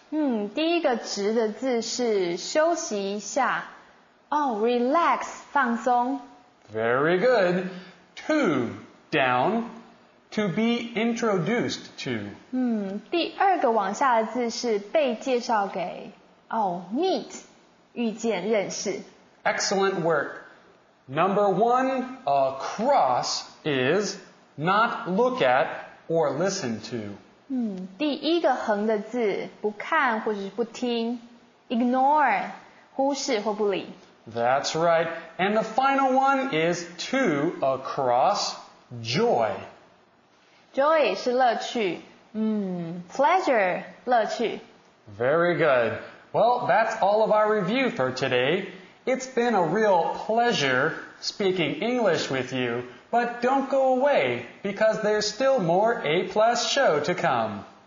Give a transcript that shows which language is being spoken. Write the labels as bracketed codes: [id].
[zh] 嗯，第一个直的字是休息一下。 [en] Oh, relax, 放松。 Very good. Two down, to be introduced to. [zh] 嗯，第二个往下的字是被介绍给。 Oh, meet, 遇见认识。 [en] Excellent work. Number one, across is not look at or listen to. [zh] 嗯，第一个横的字不看或者是不听。 Ignore, 忽视或不理。 [en] That's right. And the final one is two across joy. [zh] Joy 是乐趣。Pleasure, 乐趣。 [en] Very good. Well, that's all of our review for today. It's been a real pleasure speaking English with you, but don't go away because there's still more A-plus show to come.